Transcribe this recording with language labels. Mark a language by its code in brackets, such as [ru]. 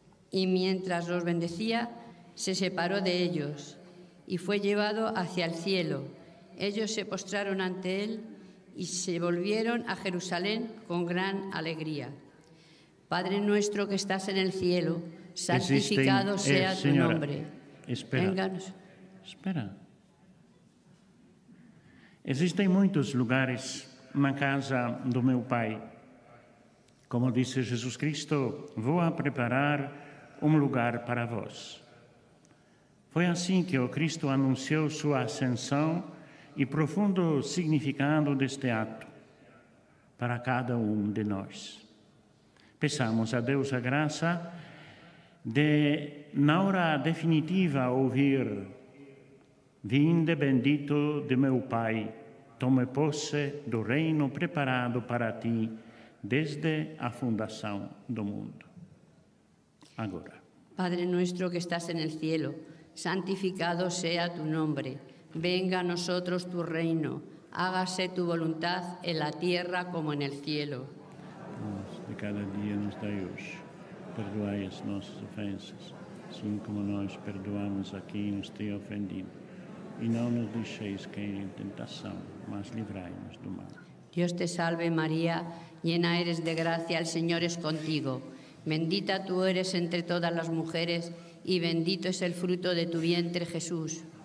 [es] Y mientras los bendecía, se separó de ellos y fue llevado hacia el cielo. Ellos se postraron ante él y se volvieron a Jerusalén con gran alegría. Padre nuestro que estás en el cielo, santificado sea tu nombre. Espera. [pt] Existem muitos lugares na casa do meu Pai. Como disse Jesus Cristo, vou a preparar um lugar para vós. Foi assim que o Cristo anunciou sua ascensão e profundo significado deste ato para cada de nós. Peçamos a Deus a graça de, na hora definitiva, ouvir: Vinde, bendito de meu Pai, tome posse do reino preparado para ti desde a fundação do mundo. Agora. [es] Padre nuestro que estás en el cielo, santificado sea tu nombre. Venga a nosotros tu reino. Hágase tu voluntad en la tierra como en el cielo. [pt] Nos de cada día nos dai hoje. Perdoai as nossas ofensas, assim como nós perdoamos a quem nos tem ofendido. E não nos deixeis cair em tentação, mas livrai-nos do mal. Deus te salve, [es] Maria, llena eres de gracia, el Señor es contigo. Bendita tú eres entre todas las mujeres y bendito es el fruto de tu vientre, Jesús.